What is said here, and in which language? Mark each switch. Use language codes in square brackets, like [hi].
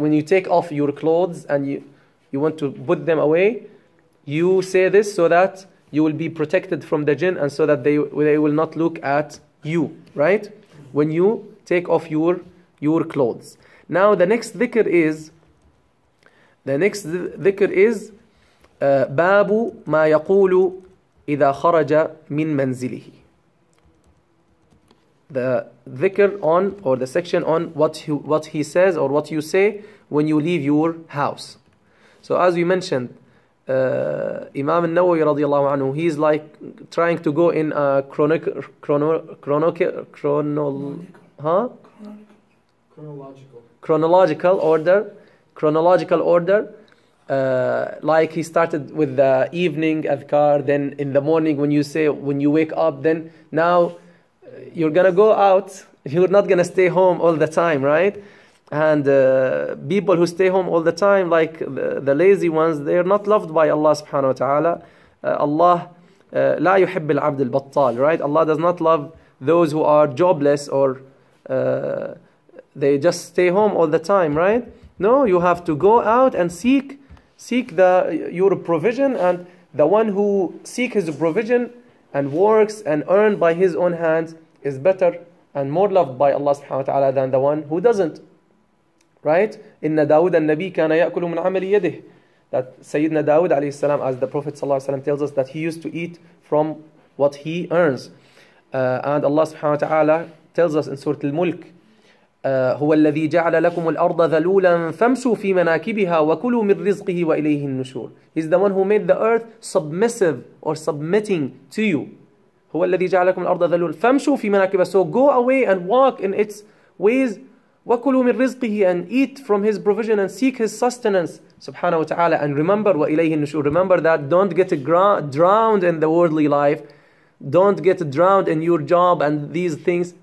[en] When you take off your clothes and you want to put them away, you say this so that you will be protected from the jinn and so that they will not look at you, right? When you take off your clothes. Now the next dhikr is [ar] باب ما يقول إذا خرج من منزله. [en] The dhikr on or the section on what he says or what you say when you leave your house. So as we mentioned, Imam al-Nawawi radiallahu anhu, he's like trying to go in a chronological order. Like he started with the evening adhkar, then in the morning when you wake up, then now you're gonna go out. You're not gonna stay home all the time, right? And people who stay home all the time, like the lazy ones, they're not loved by Allah subhanahu wa ta'ala. Allah, [ar] لا يحب العبد البطال, [en] right? Allah does not love those who are jobless or they just stay home all the time, right? No, you have to go out and seek your provision, and the one who seeks his provision and works and earns by his own hands is better and more loved by Allah subhanahu wa ta'ala than the one who doesn't. Right? [ar] Inna Dawood al-Nabi kana ya'kulu min amali yadih. [en] That Sayyidina Dawood alayhi salam, as the Prophet sallallahu alayhi salam tells us, that he used to eat from what he earns. And Allah subhanahu wa ta'ala tells us in Surah Al-Mulk, [ar] هو الذي جعل لكم الأرض ذلولا فامسوا في مناكبها وكلوا من رزقه وإليه النشور. [en] He's the one who made the earth submissive or submitting to you. [ar] هو الذي جعل لكم الأرض ذلولا فامسوا في مناكبها. [en] So go away and walk in its ways. [ar] وكلوا من رزقه [en] and eat from his provision and seek his sustenance. [ar] سبحانه وتعالى. [en] And remember [ar] وإليه النشور. [en] Remember that don't get drowned in the worldly life. Don't get drowned in your job and these things.